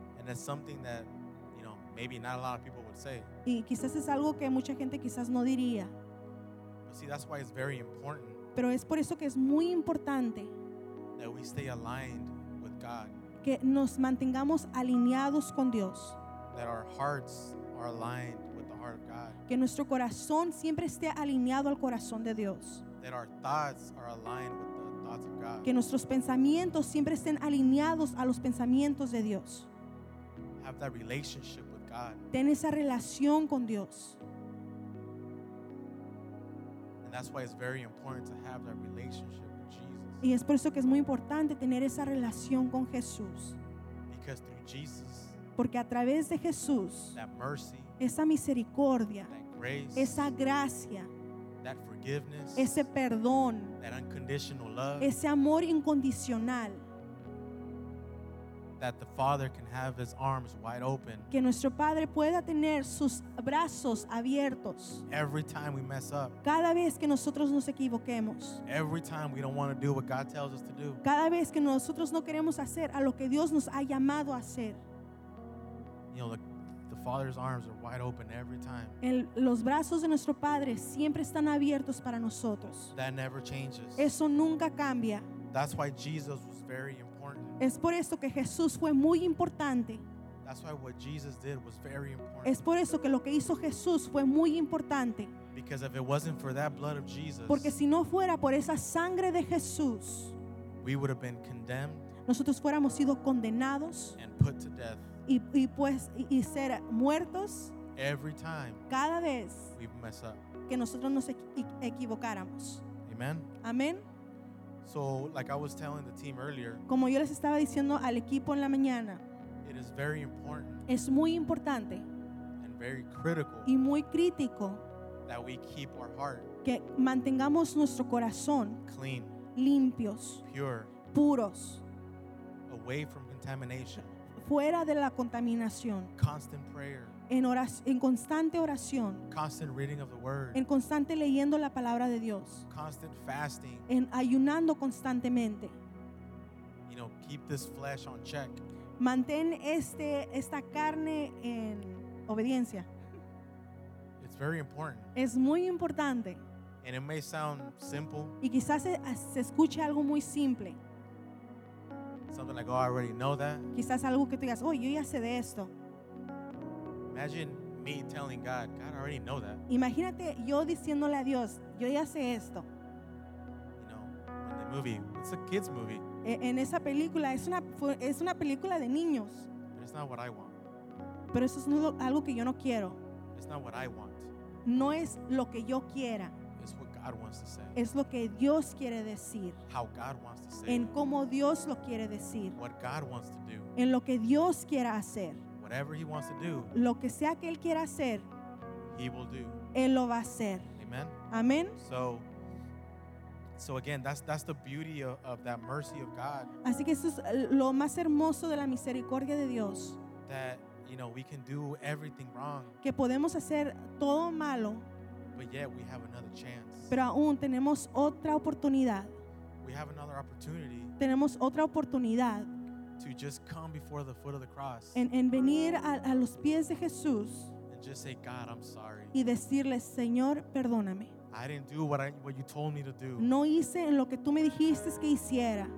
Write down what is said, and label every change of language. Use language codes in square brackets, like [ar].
[en] And it's something that, you know, maybe not a lot of people would say. [es] Y quizás es algo que mucha gente quizás no diría. [en] But see, that's why it's very important. [es] Pero es por eso que es muy importante. [en] That we stay aligned with God. [es] Que nos mantengamos alineados con Dios. [en] That our hearts are aligned with the heart of God. [es] Que nuestro corazón siempre esté alineado al corazón de Dios. [en] That our thoughts are aligned with the thoughts of God. [es] Que nuestros pensamientos siempre estén alineados a los pensamientos de Dios. [en] Have that relationship with God. [es] Ten esa relación con Dios. [en] And that's why it's very important to have that relationship. [es] Y es por eso que es muy importante tener esa relación con Jesús. [en] Because through Jesus, [es] porque a través de Jesús, [en] that mercy, [es] esa misericordia, [en] that grace, [es] esa gracia, [en] that forgiveness, [es] ese perdón, [en] that unconditional love, [es] ese amor incondicional, [en] that the Father can have his arms wide open, [es] que nuestro Padre pueda tener sus brazos abiertos. [en] Every time we mess up. [es] Cada vez que nosotros nos equivoquemos. [en] Every time we don't want to do what God tells us to do. [es] Cada vez que nosotros no queremos hacer a lo que Dios nos ha llamado a hacer. [en] You know, the Father's arms are wide open every time. [es] Los brazos de nuestro Padre siempre están abiertos para nosotros. [en] That never changes. [es] Eso nunca cambia. [en] That's why Jesus was very important. [es] Es por eso que Jesús fue muy importante. [en] That's why what Jesus did was very important. [es] Es por eso que lo que hizo Jesús fue muy importante. [en] Because if it wasn't for that blood of Jesus, [es] porque si no fuera por esa sangre de Jesús, [en] we would have been condemned. [es] Nosotros fuéramos sido condenados. [en] And put to death. [es] Y ser muertos. [en] Every time. [es] Cada vez. [en] We mess up. [es] Que nosotros nos equivocáramos. [en] Amen. [es] Amen. [en] So, like I was telling the team earlier, [es] como yo les estaba diciendo al equipo en la mañana, [en] it is very important, [es] es muy importante, [en] and very critical, [es] y muy crítico, [en] that we keep our heart, [es] que mantengamos nuestro corazón, [en] clean, [es] limpios, [en] pure, [es] puros, [en] away from contamination, [es] fuera de la contaminación. [en] Constant prayer. [es] En constante oración. [en] Constant reading of the word. [es] En constante leyendo la palabra de Dios. [en] Constant fasting. [es] En ayunando constantemente. [en] You know, keep this flesh on check. [es] Mantén esta carne en obediencia. [en] It's very important. [es] Es muy importante. [en] And it may sound simple. [es] Y quizás se escuche algo muy simple. [en] Something like, oh, I already know that. [es] Quizás algo que tú digas, oh, yo ya sé de esto. [en] Imagine me telling God, God, I already know that. [es] Imagínate yo diciéndole a Dios, yo ya sé esto. [en] You know, in the movie, it's a kid's movie. [es] En esa película, es una película de niños. [en] But it's not what I want. [es] Pero eso es algo que yo no quiero. [en] It's not what I want. [es] No es lo que yo quiera. [en] It's what God wants to say. [es] Es lo que Dios quiere decir. [en] How God wants to say. [es] En cómo Dios lo quiere decir. [en] What God wants to do. [es] En lo que Dios quiera hacer. [en] Whatever he wants to do. [es] Lo que sea que él quiera hacer. [en] He will do. [es] Él lo va a hacer. [en] Amen. [es] Amen. [en] So again, that's the beauty of that mercy of God. [es] Así que eso es lo más hermoso de la misericordia de Dios. [en] That, you know, we can do everything wrong. [es] Que podemos hacer todo malo. [en] But yet we have another chance. [es] Pero aún tenemos otra oportunidad. [en] We have another opportunity. [es] Tenemos otra oportunidad. [en] To just come before the foot of the cross. [es] En venir a los pies de Jesús. [en] And just say, God, I'm sorry. [es] Y decirle, Señor, perdóname. [en] I didn't do what you told me to do. [es] No hice en lo que tú me dijiste que hiciera.